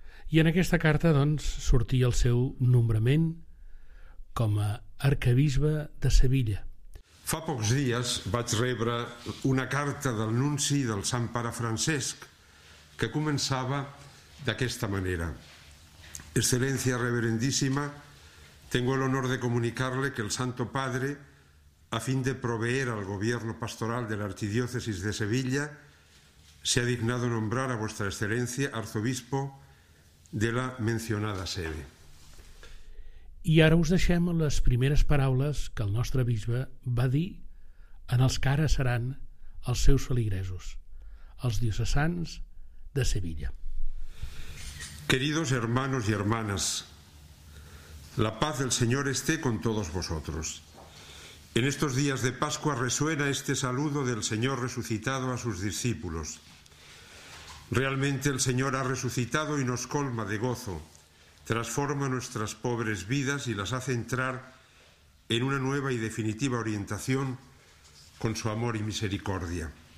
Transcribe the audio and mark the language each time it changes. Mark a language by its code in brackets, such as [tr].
[ca] I en aquesta carta, doncs, sortia el seu nombrament com a arquebisbe de Sevilla. Fa pocs dies vaig rebre una carta del nunci del Sant Pare Francesc que començava d'aquesta manera. [es] Excelencia reverendísima, tengo el honor de comunicarle que el Santo Padre, a fin de proveer al gobierno pastoral de la Archidiócesis de Sevilla, se ha dignado nombrar a vuestra excelencia arzobispo de la mencionada sede. [ca] I ara us deixem les primeres paraules que el nostre bisbe va dir en els que ara seran els seus feligresos, els diocesans de Sevilla. [es] Queridos hermanos y hermanas, la paz del Señor esté con todos vosotros. En estos días de Pascua resuena este saludo del Señor resucitado a sus discípulos. Realmente el Señor ha resucitado y nos colma de gozo, transforma nuestras pobres vidas y las hace entrar en una nueva y definitiva orientación con su amor y misericordia.